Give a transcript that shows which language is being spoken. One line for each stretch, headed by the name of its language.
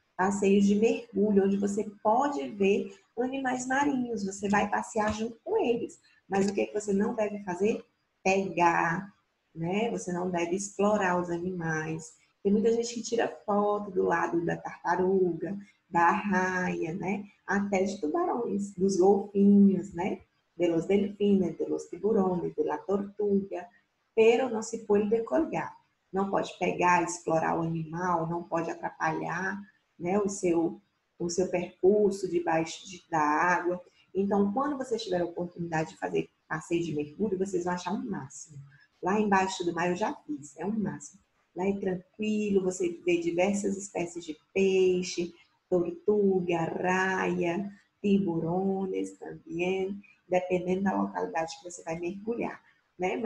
Portuguese: Passeios de mergulho, onde você pode ver animais marinhos, você vai passear junto com eles. Mas o que é que você não deve fazer? Pegar, né? Você não deve explorar os animais. Tem muita gente que tira foto do lado da tartaruga, da arraia, né? Até de tubarões, dos golfinhos, né?
Spanish: De los delfines, de los tiburones, de la tortuga.
Portuguese: Pero não se puede colgar. Não pode pegar, explorar o animal, não pode atrapalhar, né, o seu percurso debaixo da água. Então, quando você tiver a oportunidade de fazer passeio de mergulho, vocês vão achar o um máximo. Lá embaixo do mar eu já fiz, é um máximo. Lá é tranquilo, você vê diversas espécies de peixe, tortuga, raia, tiburones também, dependendo da localidade que você vai mergulhar, né?